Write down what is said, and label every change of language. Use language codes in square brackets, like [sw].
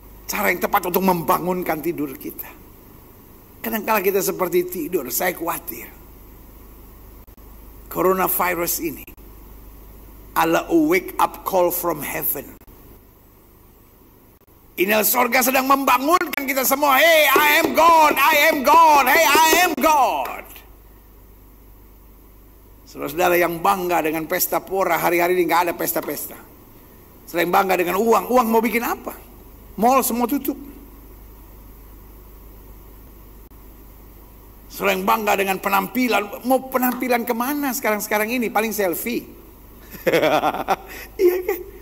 [id] Cara yang tepat untuk membangunkan tidur kita. Kadang-kadang kita seperti tidur, saya khawatir. [en] Coronavirus [id] ini adalah [en] a wake up call from heaven. [id] Inilah sorga sedang membangunkan kita semua. [en] Hey, I am God, I am God, hey, I am God. [id] Saudara-saudara yang bangga dengan pesta pora, hari-hari ini gak ada pesta-pesta. Saudara yang bangga dengan uang, uang mau bikin apa? Mall semua tutup. Saudara yang bangga dengan penampilan, mau penampilan kemana sekarang-sekarang ini? Paling selfie. Iya kan?